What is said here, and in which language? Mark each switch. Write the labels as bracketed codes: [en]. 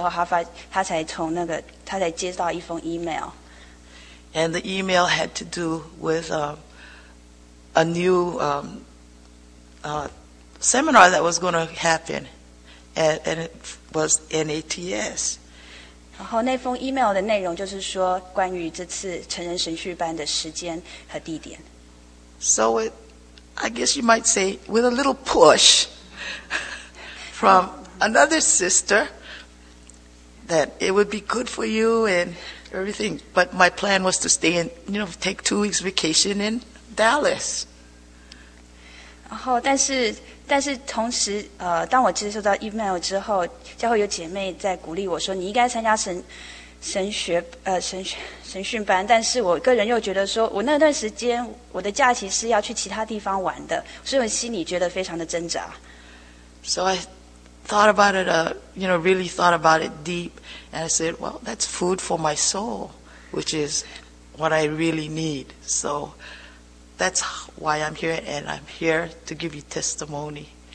[zh] 然后所以，对不起，刚刚翻错了。刚刚的意思是说他很高兴能够出去玩，然后可是他日子过去之后，他才接到一封 email。 [en] And the email had to do with a new seminar that was going to happen, and it was NATS. [zh] 然后那封 email 的内容就是说关于这次成人神训班的时间和地点。 [en] So it, I guess you might say, with a little push from another sister, that it would be good for you and everything. But my plan was to stay in, you know, take 2 weeks vacation in Dallas. [zh] 然后，但是同时，当我接收到 email 之后，教会有姐妹在鼓励我说，你应该参加神学班。但是我个人又觉得说，我那段时间我的假期是要去其他地方玩的，所以我心里觉得非常的挣扎。 [en] So I thought about it, you know, really thought about it deep, and I said, well, that's food for my soul, which is what I really need. So that's why I'm here, and I'm here to give you testimony.